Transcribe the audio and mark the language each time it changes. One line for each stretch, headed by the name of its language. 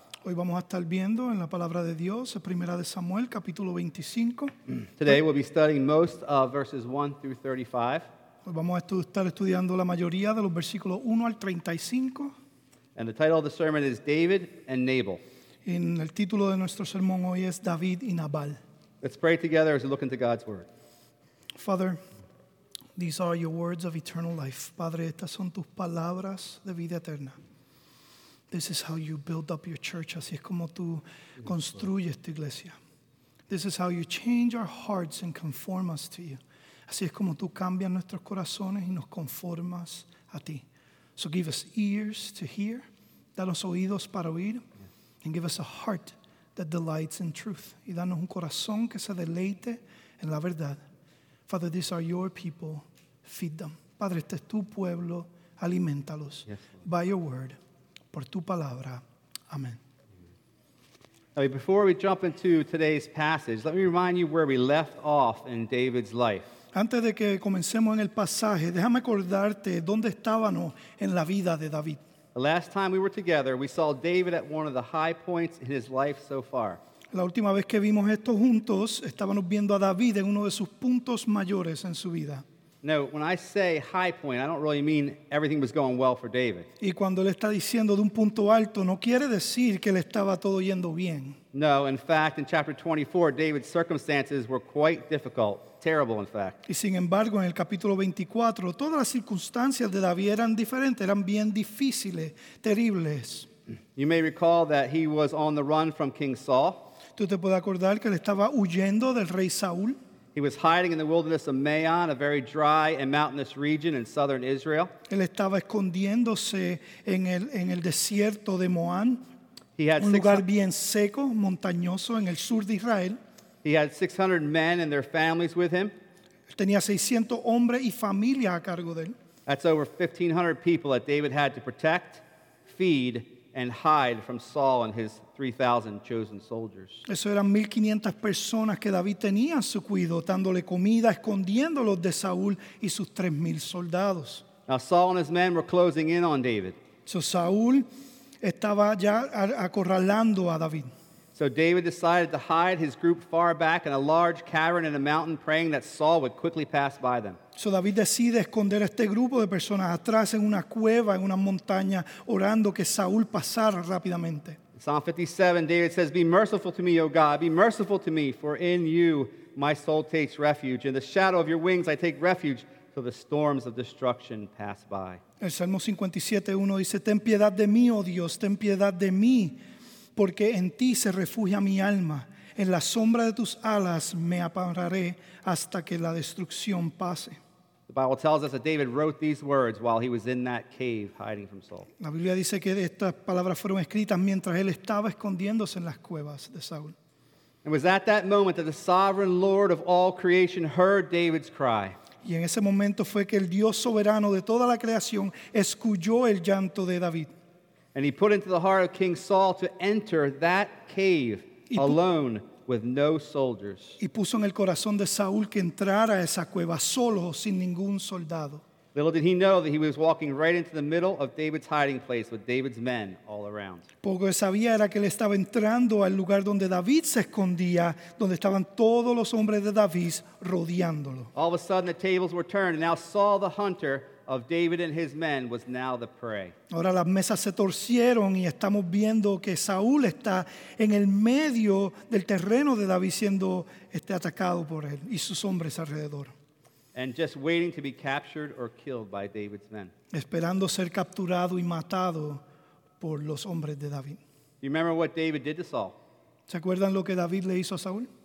Spanish: Hoy vamos a estar viendo en la palabra de Dios, Primera de Samuel, capítulo 25.
English: Today we'll be studying most of verses 1 through 35.
Spanish: Hoy vamos a estar estudiando la mayoría de los versículos 1 al 35.
English: And the title of the sermon is David and Nabal.
Spanish: En el título de nuestro sermón hoy es David y Nabal.
English: Let's pray together as we look into God's word. Father, these are your words of eternal life.
Spanish: Padre, estas son tus palabras de vida eterna.
English: This is how you build up your church.
Spanish: Así es como tú construyes tu iglesia.
English: This is how you change our hearts and conform us to you.
Spanish: Así es como tú cambias nuestros corazones y nos conformas a ti.
English: So give us ears to hear.
Spanish: Danos oídos para oír.
English: And give us a heart that delights in truth.
Spanish: Y danos un corazón que se deleite en la verdad.
English: Father, these are your people. Feed them.
Spanish: Padre, este es tu pueblo. Aliméntalos.
English: Yes, by your word.
Spanish: Por tu palabra. Amen.
English: Now, before we jump into today's passage, let me remind you where we left off in David's life.
Spanish: Antes de que comencemos en el pasaje, déjame acordarte dónde estábamos en la vida de David.
English: The last time we were together, we saw David at one of the high points in his life so far.
Spanish: La última vez que vimos esto juntos, estábamos viendo a David en uno de sus puntos mayores en su vida.
English: Now, when I say high point, I don't really mean everything was going well for David.
Spanish: Y cuando él está diciendo de un punto alto, no quiere decir que le estaba todo yendo bien.
English: No, in fact, in chapter 24, David's circumstances were quite difficult. Terrible, in fact.
Spanish: Y sin embargo, en el capítulo 24, todas las circunstancias de David eran diferentes, eran bien difíciles, terribles.
English: You may recall that he was on the run from King Saul.
Spanish: Tú te puedes acordar que él estaba huyendo del rey Saúl.
English: He was hiding in the wilderness of Maon, a very dry and mountainous region in southern Israel.
Spanish: Él estaba escondiéndose en el desierto de Moán,
English: he had
Spanish: un lugar bien seco, montañoso en el sur de Israel.
English: He had 600 men and their families with him.
Spanish: Tenía 600 hombres y familia a cargo de él.
English: That's over 1,500 people that David had to protect, feed, and hide from Saul and his 3,000 chosen soldiers.
Spanish: Eso eran 1,500 personas que David tenía a su cuidado, dándole comida, escondiéndolos de Saúl y sus 3,000 soldados.
English: Now Saul and his men were closing in on David.
Spanish: So Saúl estaba ya acorralando a David.
English: So David decided to hide his group far back in a large cavern in a mountain, praying that Saul would quickly pass by them.
Spanish: So David decide esconder a este grupo de personas atrás en una cueva, en una montaña, orando que Saúl pasara rápidamente.
English: Psalm 57, David says, "Be merciful to me, O God, be merciful to me, for in you my soul takes refuge. In the shadow of your wings I take refuge, till the storms of destruction pass by."
Spanish: El Salmo 57:1 dice, "Ten piedad de mí, oh Dios, ten piedad de mí, porque en ti se refugia mi alma. En la sombra de tus alas me apararé hasta que la destrucción pase."
English: The Bible tells us that David wrote these words while he was in that cave hiding from Saul.
Spanish: La Biblia dice que estas palabras fueron escritas mientras él estaba escondiéndose en las cuevas de Saúl.
English: It was at that moment that the sovereign Lord of all creation heard David's cry.
Spanish: Y en ese momento fue que el Dios soberano de toda la creación escuchó el llanto de David.
English: And he put into the heart of King Saul to enter that cave alone with no soldiers.
Spanish: Y puso en el corazón de Saúl que entrara a esa cueva solo, sin ningún soldado.
English: Little did he know that he was walking right into the middle of David's hiding place with David's men all around.
Spanish: Poco sabía era que él estaba entrando al lugar donde David se escondía, donde estaban todos los hombres de David rodeándolo.
English: All of a sudden the tables were turned, and now Saul the hunter of David and his men was now the prey.
Spanish: Ahora las mesas se torcieron y estamos viendo que Saúl está en el medio del terreno de David siendo atacado por él y sus hombres alrededor.
English: And just waiting to be captured or killed by David's men.
Spanish: Esperando ser capturado y matado por los hombres de David.
English: Do you remember what David did to Saul?
Spanish: ¿Se acuerdan lo que David le hizo a Saúl?